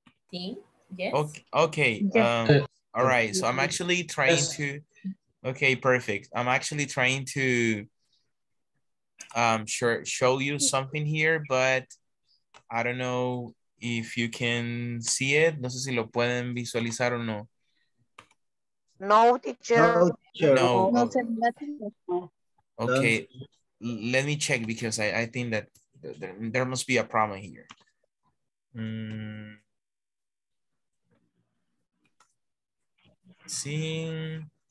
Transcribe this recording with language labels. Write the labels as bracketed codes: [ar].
[es] Sí, yes. [en] Ok. Okay. All right, so I'm actually trying to, okay, perfect. I'm actually trying to show you something here, but I don't know if you can see it. [es] No sé si lo pueden visualizar o no. No, teacher. No. [en] Okay, let me check because I think that there must be a problem here. Seeing.